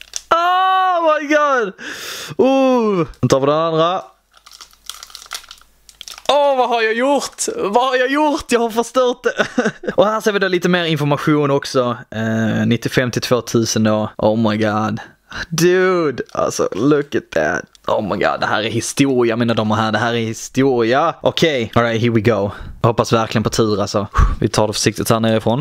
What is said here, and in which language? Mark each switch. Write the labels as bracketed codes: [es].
[en] Oh my god. [sv] Nu tar vi den andra. Åh, vad har jag gjort? Vad har jag gjort? Jag har förstört det. Och här ser vi då lite mer information också. 95-2000 då. [en] Oh my god. Dude, alltså, look at that. Oh my god, [sv] det här är historia, mina damer här. Det här är historia. Okej, [en] okay. All right, here we go. [sv] Jag hoppas verkligen på tur, alltså. Vi tar det försiktigt här nerifrån.